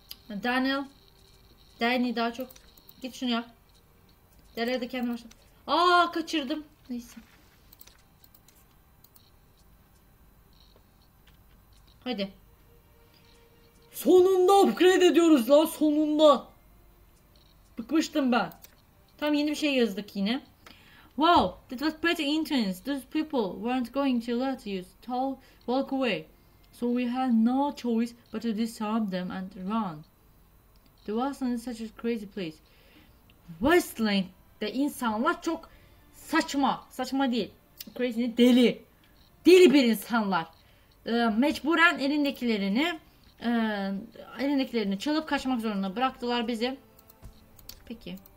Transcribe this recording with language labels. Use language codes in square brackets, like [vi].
[tr] Daniel. Danny daha çok. Git şunu yap. Dereye de kendi başla. Aa kaçırdım. Neyse. Hadi. Sonunda upgrade ediyoruz lan sonunda. Bıkmıştım ben. Tam yeni bir şey yazdık yine. [en] Wow, that was pretty intense. Those people weren't going to let you talk, walk away. So we had no choice but to disarm them and run. The Wasteland is such a crazy place. [tr] Wasteland'de insanlar çok saçma. Saçma değil. Crazy deli. Deli bir insanlar. Mecburen elindekilerini çalıp kaçmak zorunda bıraktılar bizi. Peki.